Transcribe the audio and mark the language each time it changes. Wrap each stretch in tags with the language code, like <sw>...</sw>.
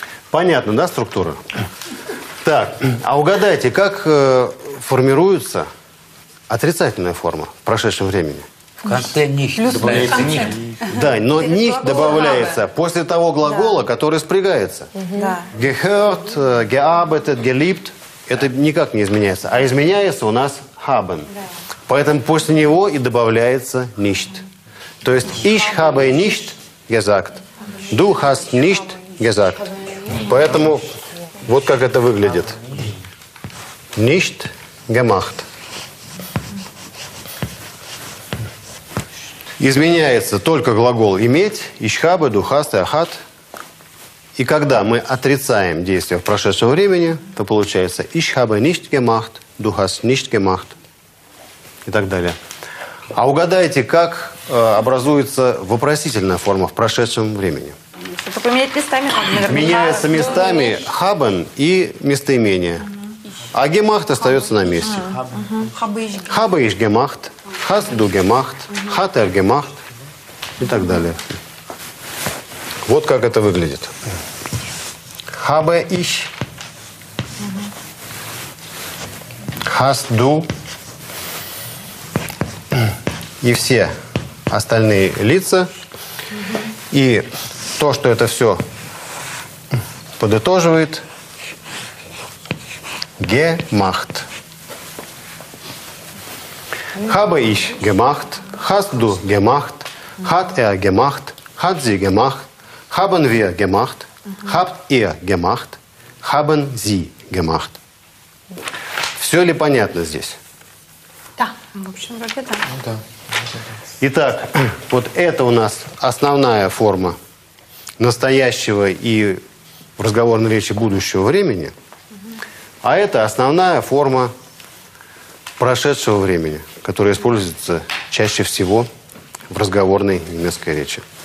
<ru>Понятно, да, структура? Так, а угадайте, как формируется отрицательная форма в прошедшем времени? В конце nicht добавляется nicht. Да, но nicht добавляется после того глагола, который спрягается.</ru> <de>Gehört, gearbeitet, geliebt.</de> <ru>Это никак не изменяется. А изменяется у нас haben. Да. Поэтому после него и добавляется nicht. То есть</ru> <de>ich habe nicht gesagt. Du hast nicht gesagt.</de> <ru>Поэтому вот как это выглядит.</ru> <de>Nicht gemacht.</de> <ru>Изменяется только глагол иметь.</ru> <de>Ich habe, du hast, er hat.</de> <ru>И когда мы отрицаем действие в прошедшем времени, то получается</ru> <de>ich habe nicht gemacht,</de> <ru>du hast nicht gemacht. И так далее. А угадайте, как образуется вопросительная форма в прошедшем времени? Чтобы поменять местами, наверное. Меняется местами haben и местоимение. А gemacht остается на месте.</ru> <de>Habe ich gemacht, hast du gemacht, hat er gemacht</de> <ru>и так далее. Вот как это выглядит.</ru> <de>Habe ich. Hast du.</de> <ru>И все остальные лица. И то, что это все подытоживает.</ru> <de>Gemacht. Habe ich gemacht. Hast du gemacht. Hat gemacht. Hat sie gemacht. Haben wir gemacht, habt ihr gemacht, haben sie gemacht.</de> <ru>Все ли понятно здесь? Да. В общем, вроде да. Ну, да. Итак, вот это у нас основная форма настоящего и в разговорной речи будущего времени. А это основная форма прошедшего времени, которая используется чаще всего в разговорной немецкой речи.</ru>